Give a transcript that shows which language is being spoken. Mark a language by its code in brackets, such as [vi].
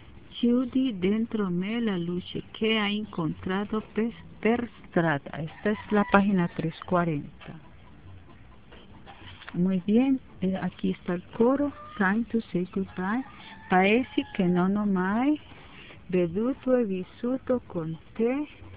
[it] Chiudi dentro me la luce che hai incontrato per strada. [es] Esta es la página 340. Muy bien, aquí está el coro. [en] Time to say goodbye. [it] Paesi che non ho mai veduto e vissuto con te.